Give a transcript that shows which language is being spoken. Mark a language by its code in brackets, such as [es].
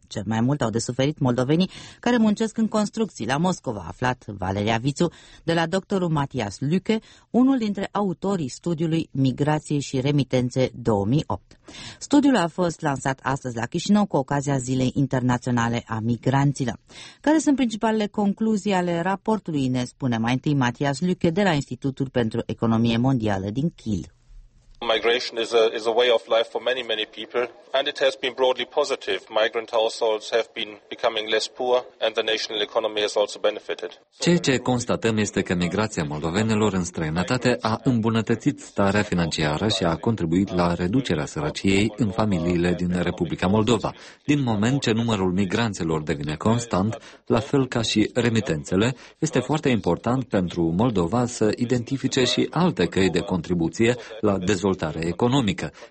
[ro] Cel mai mult au de suferit moldovenii care muncesc în construcții la Moscova, a aflat Valeria Vițu de la doctorul Matias Lüke, unul dintre autorii studiului Migrație și Remitențe 2008. Studiul a fost lansat astăzi la Chișinău cu ocazia Zilei Internaționale a Migranților. Care sunt principalele concluzii ale raportului, ne spune mai întâi Matias Lüke de la Institutul pentru Economie Mondială din Kiel. [en] Migration is a way of life for many, many people, and it has been broadly positive. Migrant households have been becoming less poor, and the national economy has also benefited. [ro] Ceea ce constatăm este că migrația moldovenilor în străinătate a îmbunătățit starea financiară și a contribuit la reducerea sărăciei în familiile din Republica Moldova. Din moment ce numărul migranților devine constant, la fel ca și remitențele, este foarte important pentru Moldova să identifice și alte căi de contribuție la dezvoltare economică.